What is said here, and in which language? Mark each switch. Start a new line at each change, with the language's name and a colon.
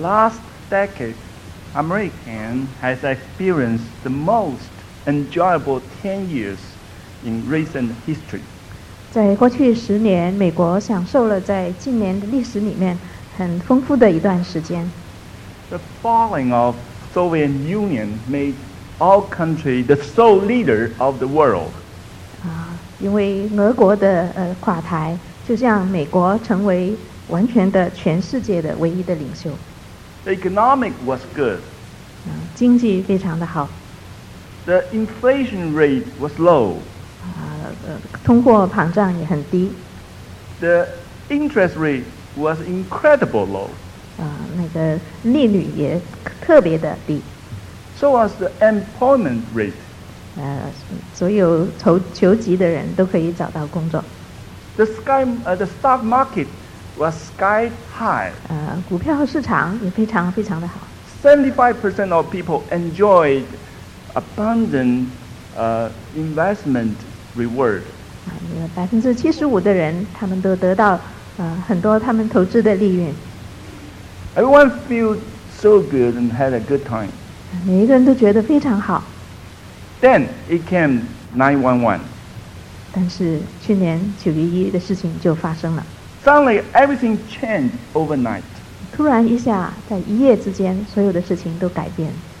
English: American has experienced the most enjoyable 10 years in recent history.
Chinese: 在过去十年, 美国享受了在近年的历史里面, 很丰富的一段时间。
English: The falling of Soviet Union made all countries the sole leader of the world.
Chinese: 啊，因为俄国的垮台，就像美国成为完全的全世界的唯一的领袖。
English: The economic was good.
Chinese: 经济非常的好。
English: The inflation rate was low.
Chinese: 通货膨胀也很低。
English: The interest rate was incredibly low.
Chinese: 那个利率也特别的低。
English: So was the employment rate.
Chinese: 所有求职的人都可以找到工作。
English: The stock market was sky high.
Chinese: 股票市场也非常非常的好。
English: 75% of people enjoyed abundant investment reward.
Chinese: 75%的人他们都得到很多他们投资的利润。
English: Everyone felt so good and had a good time.
Chinese: 每一个人都觉得非常好。
English: Then it came 9/11.
Chinese: 但是去年911的事情就发生了。
English: Suddenly everything changed overnight.
Chinese: 突然一下，在一夜之间，所有的事情都改变。